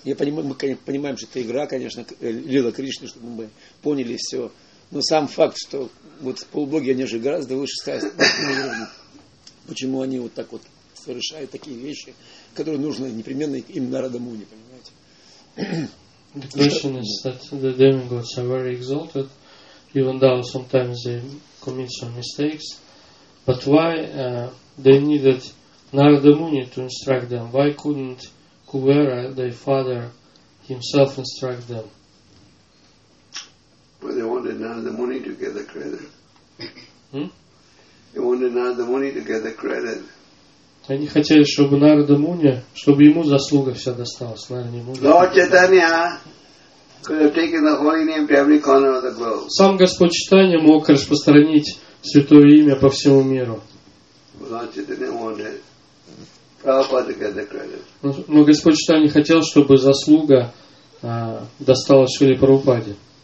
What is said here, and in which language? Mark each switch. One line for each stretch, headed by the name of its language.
Russian: Мы понимаем, что это игра, конечно, Лила Кришны, чтобы мы поняли все. Но сам факт, что вот полубоги, они же гораздо выше ставят. Почему они вот так вот совершают такие вещи, которые нужно непременно им Нарада Муни, понимаете?
English: The question is that the demigods are very exalted, even though sometimes they commit some mistakes. But why they needed Narada Muni to instruct them? Why couldn't Kuvera, their father, himself instruct them? Well, they wanted Narada Muni to get the credit. Hmm? They wanted Narada Muni to get the credit.
Russian: Они хотели, чтобы Нарада Муни, чтобы ему заслуга вся досталась. Наверное, ему
English: Lord Chaitanya could have taken the holy name to every corner of the globe.
Russian: Сам Господь Читания мог распространить святое имя по всему миру.
English: Lord Chaitanya wanted Prabhupada to get the credit.
Russian: Но Господь Читания хотел, чтобы заслуга досталась Шриле Прабхупаде.